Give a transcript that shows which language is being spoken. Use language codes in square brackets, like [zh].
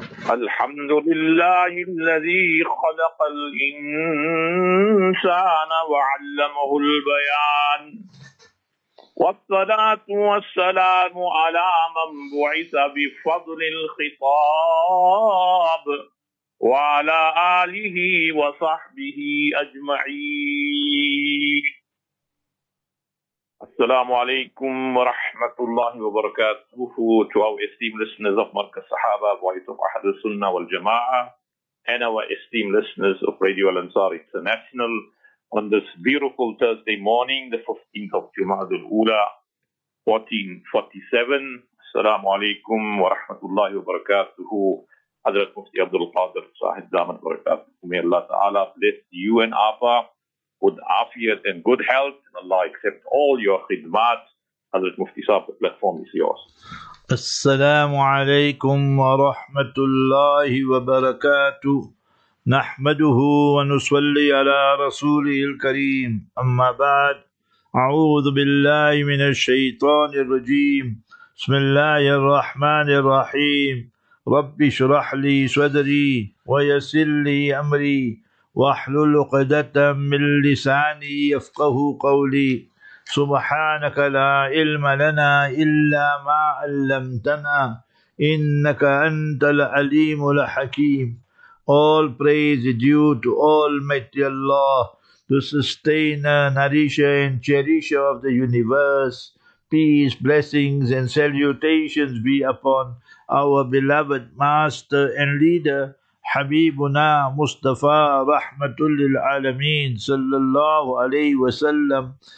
[ar] الحمد لله الذي خلق الإنسان وعلمه البيان، والصلاة والسلام على من بعث بفضل الخطاب وعلى آله وصحبه أجمعين. السلام عليكم ورحمة الله وبركاته [en] to our esteemed listeners of Markaz Sahaba, Voice of Ahlus Sunnah wal Jama'a, and our esteemed listeners of Radio Al Ansar International on this beautiful Thursday morning, the 15th of Jumad al-Ula, 1447. [ar] Assalamu alaikum wa rahmatullahi wa barakatuhu. [en] Hazrat Mufti Abdul Qadir Sahib Daman Barakatuhu. May Allah Ta'ala bless you and Afa with afiat and good health. And Allah accept all your khidmat. Hazrat Mufti Sahib, the platform is yours. [ar] Assalamu alaikum wa rahmatullahi wa barakatuhu. نحمده ونصلي على رسوله الكريم أما بعد أعوذ بالله من الشيطان الرجيم بسم الله الرحمن الرحيم رب اشرح لي صدري ويسر لي أمري واحلل عقدة من لساني يفقه قولي سبحانك لا علم لنا إلا ما علمتنا إنك أنت العليم الحكيم. [en] All praise is due to Almighty Allah, the sustainer, nourisher and cherisher of the universe. Peace, blessings and salutations be upon our beloved master and leader, Habibuna Mustafa Rahmatul Lil Alameen Sallallahu Alaihi Wasallam.